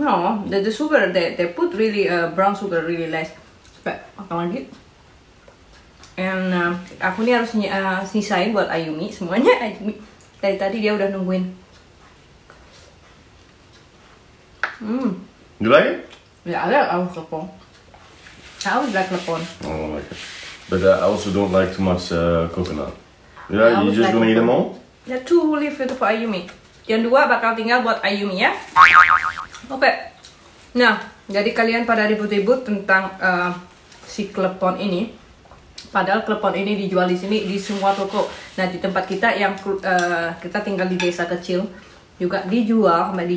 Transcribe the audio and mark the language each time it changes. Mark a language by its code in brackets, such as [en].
[en] No, the sugar they put really brown sugar really less. [id] But apa lagi? And aku ini harus sisain buat Ayumi semuanya. Ayumi dari tadi dia udah nungguin. [en] You like it? Yeah, I like klepon. I always like klepon. Oh, I like it. But I also don't like too much coconut. Yeah, you just like gonna eat them all? Yeah, two will leave it for Ayumi. [id] Yang dua bakal tinggal buat Ayumi ya. Oke. Okay. Nah, jadi kalian pada ribut-ribut tentang si klepon ini. Padahal klepon ini dijual di sini di semua toko. Nah, di tempat kita yang kita tinggal di desa kecil juga dijual.